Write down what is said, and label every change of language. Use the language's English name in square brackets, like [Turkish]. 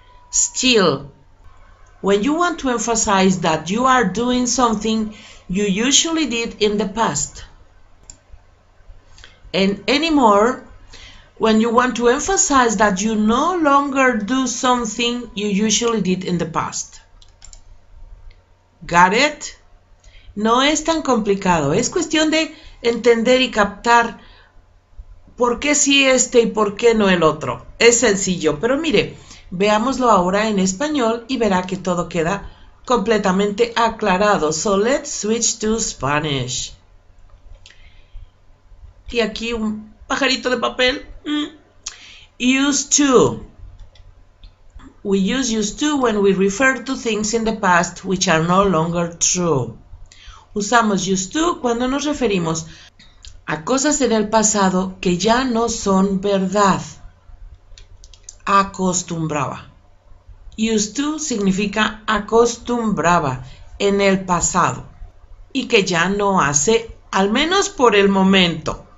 [English] Still, when you want to emphasize that you are doing something you usually did in the past. And anymore, when you want to emphasize that you no longer do something you usually did in the past. Got it? [Spanish] No es tan complicado, es cuestión de entender y captar por qué sí este y por qué no el otro. Es sencillo, pero mire, veámoslo ahora en español y verá que todo queda completamente aclarado. [English] So let's switch to Spanish. [Spanish] Y aquí un pajarito de papel. Used to. [English] We use used to when we refer to things in the past which are no longer true. [Spanish] Usamos used to cuando nos referimos a cosas en el pasado que ya no son verdad. Acostumbraba. Used to significa acostumbraba en el pasado y que ya no hace, al menos por el momento.